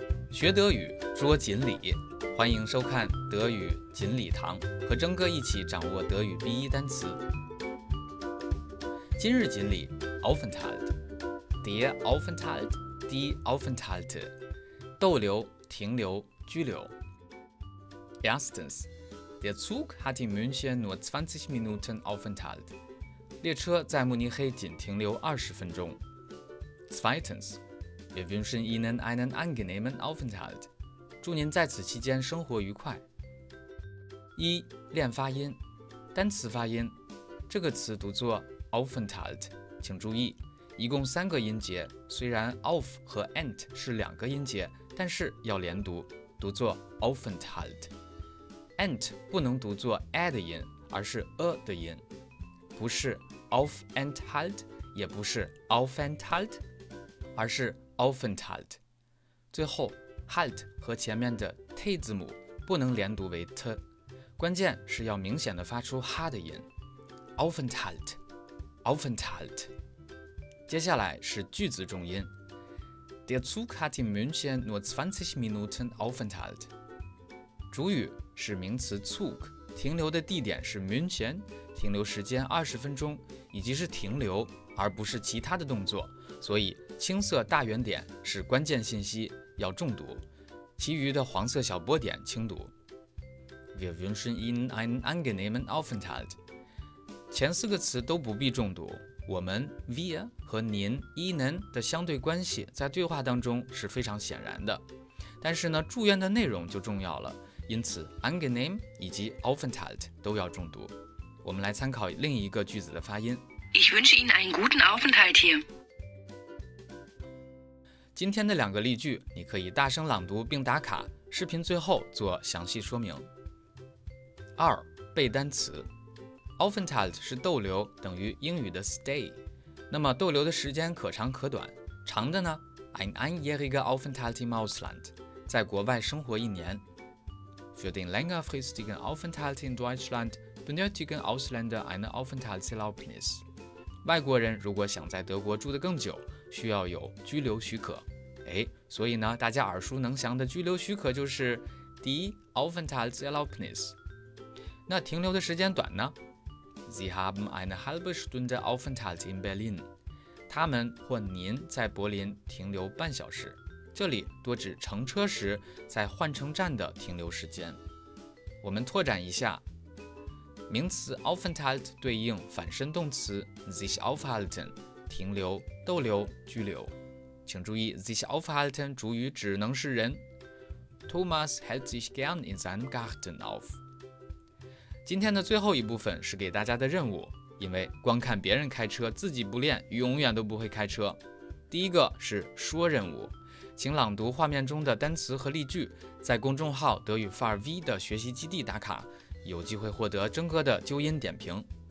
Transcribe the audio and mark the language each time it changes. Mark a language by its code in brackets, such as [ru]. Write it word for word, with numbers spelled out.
[zh] 学德语，说锦鲤，欢迎收看德语锦鲤堂，和征哥一起掌握德语 B 一 单词。今日锦鲤 Aufenthalt， [de] der Aufenthalt， die Aufenthalte， [zh] 逗留、停留、居留。 [de] Erstens， der Zug hat in München nur zwanzig Minuten Aufenthalt。 [zh] 列车在慕尼黑仅停留二十分钟。 [de] Zweitens， wir wünschen Ihnen einen angenehmen Aufenthalt。 [zh] 祝您在此期间生活愉快。一、练发音，单词发音，这个词读作 Aufenthalt， 请注意，一共三个音节，虽然 auf 和 ent 是两个音节，但是要连读，读作 Aufenthalt。 ent 不能读作 a 的音，而是 a 的音，不是 Aufenthalt， 也不是 Aufenthalt， 而是 Aufenthalt。最后 halt 和前面的 t 字母不能连读为 t， 关键是要明显的发出哈的音。 [de] Aufenthalt， Aufenthalt。 [zh] 接下来是句子重音。 [de] Der Zug hat in München nur zwanzig Minuten Aufenthalt。 [zh] 主语是名词 Zug， 停留的地点是 München，停留时间二十分钟，以及是停留，而不是其他的动作，所以青色大圆点是关键信息，要重读，其余的黄色小波点轻读。 [de] Wir wünschen Ihnen einen angenehmen Aufenthalt。 [zh] 前四个词都不必重读，我们 wir 和您 Ihnen 的相对关系在对话当中是非常显然的，但是呢，祝愿的内容就重要了，因此 angenehm 以及 Aufenthalt 都要重读。我们来参考另一个句子的发音。 [de] Ich wünsche Ihnen einen guten Aufenthalt hier。 [zh] 今天的两个例句，你可以大声朗读并打卡，视频最后做详细说明。二、背单词。 Aufenthalt 是逗留，等于英语的 stay。那么逗留的时间可长可短，长的呢 [de] ein einjähriger Aufenthalt im Ausland， [zh] 在国外生活一年。 [de] Für den längerfristigen Aufenthalt in Deutschland benötigen Ausländer eine Aufenthaltserlaubnis。 [zh] 外国人如果想在德国住得更久，需要有居留许可。诶，所以呢，大家耳熟能详的居留许可就是 die Aufenthaltserlaubnis。那停留的时间短呢？ [de] Sie haben eine halbe Stunde Aufenthalt in Berlin。 [zh] 他们或您在柏林停留半小时，这里多指乘车时在换乘站的停留时间。我们拓展一下，名词 Aufenthalt 对应反身动词 [de] sich aufhalten， [zh] 停留、逗留、居留。请注意 [de] sich aufhalten [zh] 主语只能是人。 [de] Thomas hält sich gern in seinem Garten auf。 [zh] 今天的最后一部分是给大家的任务，因为光看别人开车自己不练，永远都不会开车。第一个是说任务，请朗读画面中的单词和例句，在公众号德语范儿 V 的学习基地打卡，有机会获得征哥的纠音点评。